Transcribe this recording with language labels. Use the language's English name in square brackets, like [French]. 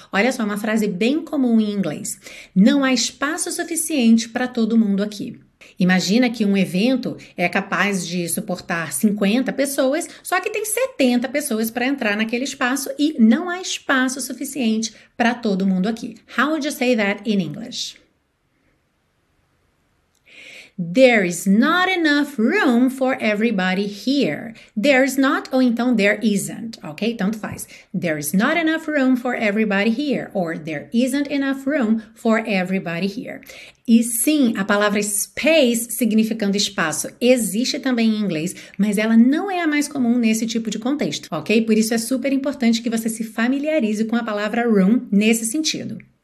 [Portuguese] Olha só, uma frase bem comum em inglês. Não há espaço suficiente para todo mundo aqui. Imagina que um evento é capaz de suportar 50 pessoas, só que tem 70 pessoas para entrar naquele espaço e não há espaço suficiente para todo mundo aqui. [English] How would you say that in English? There is not enough room for everybody here. There is not, [Portuguese] ou então [English] there isn't, ok? [Portuguese] Tanto faz. [English] There is not enough room for everybody here, or there isn't enough room for everybody here. [Portuguese] E sim, a palavra space, significando espaço, existe também em inglês, mas ela não é a mais comum nesse tipo de contexto, ok? Por isso é super importante que você se familiarize com a palavra room nesse sentido.